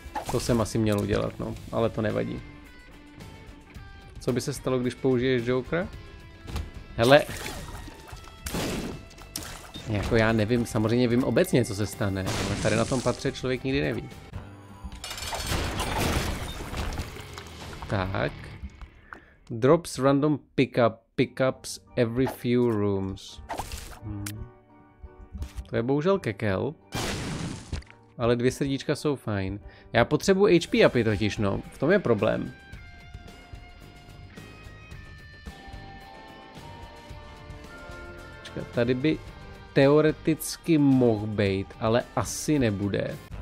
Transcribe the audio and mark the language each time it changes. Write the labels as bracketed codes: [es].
[cs] To jsem asi měl udělat, no, ale to nevadí. Co by se stalo, když použiješ Jokera? Hele! Jako já nevím, samozřejmě vím obecně, co se stane, ale tady na tom patře člověk nikdy neví. Tak. [en] Drops random pickups every few rooms. [cs] To je bohužel kekel. Ale dvě srdíčka jsou fajn. Já potřebuji HP upy totiž, no. V tom je problém. Počka, tady by teoreticky mohl být, ale asi nebude.